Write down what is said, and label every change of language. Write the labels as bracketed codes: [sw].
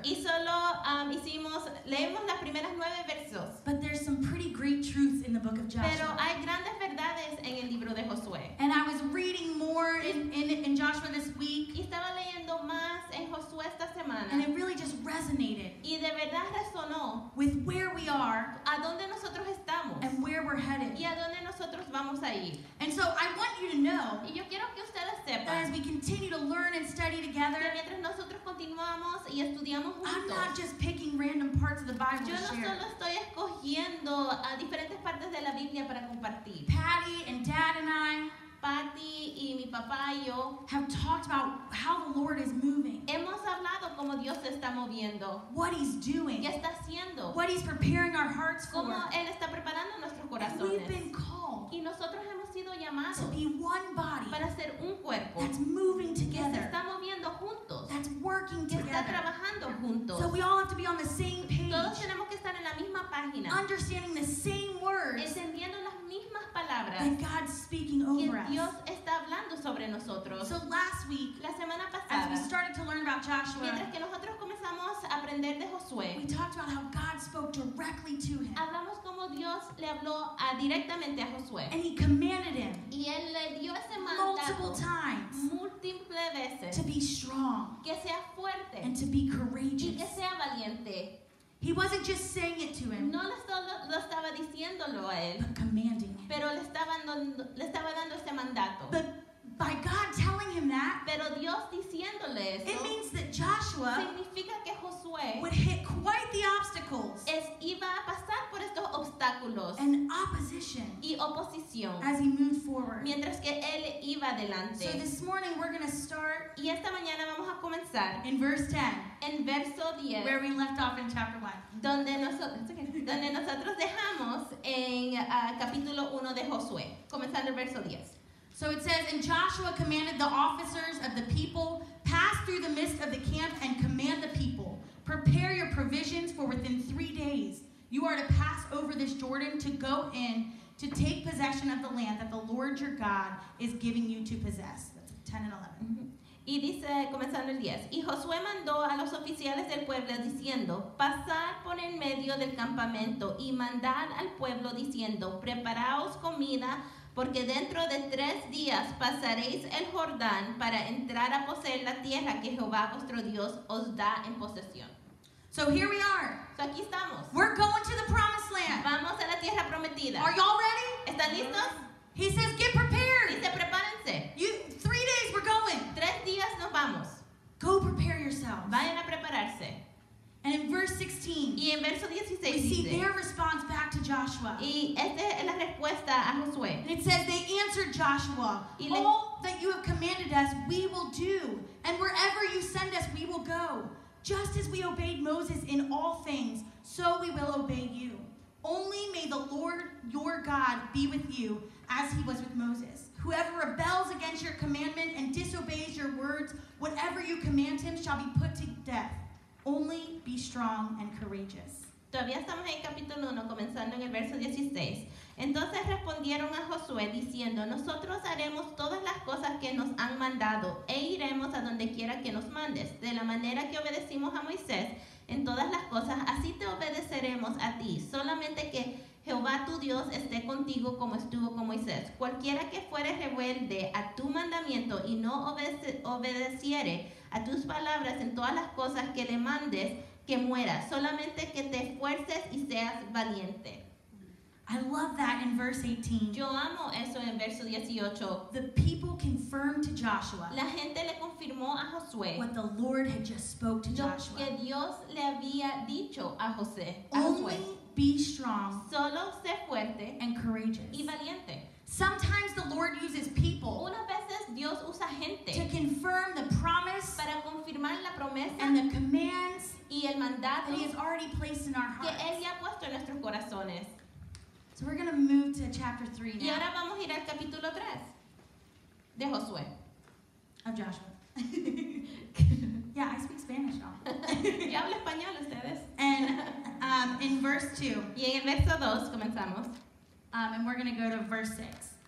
[es] Y solo leemos las primeras 9 versos. [en] But there's some pretty great truths in the book of Joshua. [es] Pero hay grandes verdades en el libro de Josué. [en] And I was reading more in Joshua this week. [es] Y estaba leyendo más en Josué esta semana. [en] And it really just resonated. [es] Y de verdad resonó [en] with where we are, [es] a dónde nosotros estamos, [en] and where we're headed. [es] Y a dónde nosotros vamos. [en] And so I want you to know, [es] y yo quiero que ustedes sepan, [en] that as we continue to learn and study together, [es] que mientras nosotros continuamos y estudiamos juntos, [en] I'm not just picking random parts of the Bible [es] yo no [en] to share. [es] Solo estoy escogiendo a diferentes partes de la Biblia para compartir. [en] Patty and Dad and I, [es] Patty y mi papá y yo, [en] have talked about how the Lord is moving. [es] Hemos hablado cómo Dios está moviendo. [en] What He's doing. [es] Qué está haciendo. [en] What He's preparing our hearts for. [es] Cómo Él está preparando nuestros corazones. [en] And we've been called. [es] Y nosotros hemos sido llamados [en] to be one body [es] para ser un cuerpo [en] that's moving together, [es] que se está moviendo juntos, [en] that's working together, [es] que está trabajando juntos. [en] So we all have to be on the same page. [es] Todos tenemos que estar en la misma página, [en] understanding the same words, [es] entendiendo las mismas palabras [en] that God's speaking over us. [es] Que Dios está hablando sobre nosotros. [en] So last week, [es] la semana pasada, [en] as we started to learn about Joshua, [es] mientras que nosotros comenzamos a aprender de Josué, [en] we talked about how God spoke directly to him. [es] Hablamos como Dios le habló directamente a Josué. [en] And he commanded him [es] y él le dio ese [en] multiple times [es] múltiples veces [en] to be strong, [es] que sea fuerte, [en] and to be courageous, [es] y que sea valiente. [en] He wasn't just saying it to him, [es] no lo estaba diciéndolo a él, [en] but commanding him. [es] Pero le estaba dando ese mandato. [en] But by God telling him that, [es] pero Dios diciéndole eso, [en] it means that Joshua [es] significa que Josué [en] would hit quite the obstacles. [es] Es iba a pasar por estos obstáculos [en] and opposition [es] y oposición [en] as he moved forward. [es] Mientras que él iba adelante. [en] So this morning we're going to start [es] y esta mañana vamos a comenzar [en] in verse 10. [es] En verso 10. [en] Where we left off in chapter 1. [es] Donde nosotros dejamos en capítulo 1 de Josué. Comenzando el verso 10. [en] So it says, and Joshua commanded the officers of the people, pass through the midst of the camp and command the people, prepare your provisions, for within 3 days you are to pass over this Jordan to go in to take possession of the land that the Lord your God is giving you to possess. That's 10 and 11. [es] Y dice, comenzando el 10, y Josué mandó a los oficiales del pueblo diciendo, pasad por en medio del campamento y mandad al pueblo diciendo, preparaos comida, porque dentro de 3 días pasaréis el Jordán para entrar a poseer la tierra que Jehová vuestro Dios os da en posesión. [en] So here we are. [es] So aquí estamos. [en] We're going to the promised land. [es] Vamos a la tierra prometida. [en] Are y'all ready? [es] ¿Están listos? [en] He says, get prepared. [es] Dice, prepárense. [en] You, 3 days we're going. [es] 3 días nos vamos. [en] Go prepare yourselves. [es] Vayan a prepararse. [en] And in verse 16, [es] y en verso 16 [en] we see [es] dice, [en] their response back to Joshua. [es] Y esta es la respuesta a Josué. [en] And it says, they answered Joshua, all that you have commanded us, we will do. And wherever you send us, we will go. Just as we obeyed Moses in all things, so we will obey you. Only may the Lord your God be with you as he was with Moses. Whoever rebels against your commandment and disobeys your words, whatever you command him shall be put to death. Only be strong and courageous. [es] Todavía estamos en capítulo 1, comenzando en el verso 16. Entonces respondieron a Josué diciendo, nosotros haremos todas las cosas que nos han mandado e iremos a donde quiera que nos mandes. De la manera que obedecimos a Moisés en todas las cosas, así te obedeceremos a ti. Solamente que Jehová tu Dios esté contigo como estuvo con Moisés. Cualquiera que fuere rebelde a tu mandamiento y no obedeciere a tus palabras en todas las cosas que le mandes, que muera. Solamente que te esfuerces y seas valiente. [en] I love that in verse 18. [es] Yo amo eso en verso 18. [en] The people confirmed to Joshua. [es] La gente le confirmó a Josué. [en] What the Lord had just spoke to Joshua. [es] Lo que Dios le había dicho a José. [en] Only be strong. [es] Solo sé fuerte. [en] And courageous. [es] Y valiente. [en] Sometimes the Lord uses people. [es] Una veces Dios usa gente. [en] To confirm the promise. [es] Para confirmar la promesa. [en] And the commands. [es] Y el mandato. [en] That he has already placed in our hearts. [es] Que él ya ha puesto en nuestros corazones. [en] So we're going to move to chapter 3 now. [es] Y ahora vamos a ir al capítulo 3 de Josué. [en] Of Joshua. Yeah, I speak Spanish, y'all. [es] Yo hablo español, ustedes. [en] And in verse 2. [es] Y en el verso 2 comenzamos. [en] And we're going to go to verse 6.